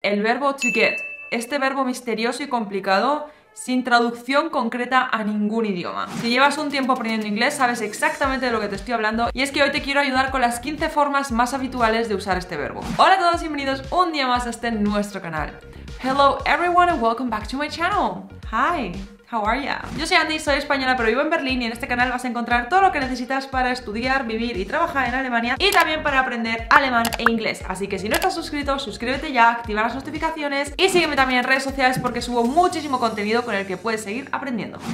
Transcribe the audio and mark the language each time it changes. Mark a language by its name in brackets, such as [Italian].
[Spanish] el verbo to get, este verbo misterioso y complicado sin traducción concreta a ningún idioma. Si llevas un tiempo aprendiendo inglés, sabes exactamente de lo que te estoy hablando, y es que hoy te quiero ayudar con las 15 formas más habituales de usar este verbo. Hola a todos y bienvenidos un día más a este nuestro canal. [English] Hello everyone and welcome back to my channel. Hi. How are ya? [Spanish] Yo soy Andy, soy española pero vivo en Berlín, y en este canal vas a encontrar todo lo que necesitas para estudiar, vivir y trabajar en Alemania, y también para aprender alemán e inglés. Así que si no estás suscrito, suscríbete ya, activa las notificaciones y sígueme también en redes sociales, porque subo muchísimo contenido con el que puedes seguir aprendiendo.